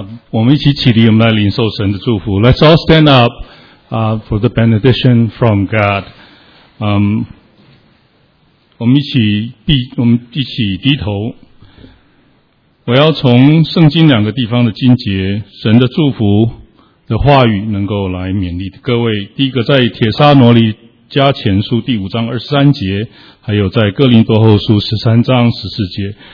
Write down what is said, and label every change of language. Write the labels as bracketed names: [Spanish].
[Chinese] 我们一起起立，我们来领受神的祝福。 [English] Let's all stand up for the benediction from God. [Chinese] 我们一起低头。我要从圣经两个地方的经节，神的祝福的话语能够来勉励各位。第一个在《帖撒罗尼迦前书》第5章23节，还有在《哥林多后书》13章14节。